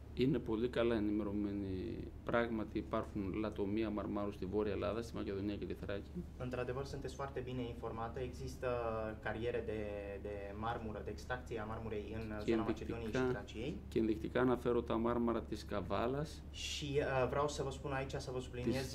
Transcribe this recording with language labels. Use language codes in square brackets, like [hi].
[el] Είναι πολύ καλά ενημερωμένοι. Πράγματι υπάρχουν λατομεία μαρμάρου στη Βόρεια Ελλάδα, στη Μακεδονία και τη Θράκη. [ro] Într-adevăr, sunteți foarte bine informată. Există cariere de marmură, de extracție a marmurei în zona [el] Μακεδονίας και Θράκης. Και ενδεικτικά αναφέρω τα μάρμαρα της Καβάλας. [ro] Și vreau să vă spun aici, să vă subliniez,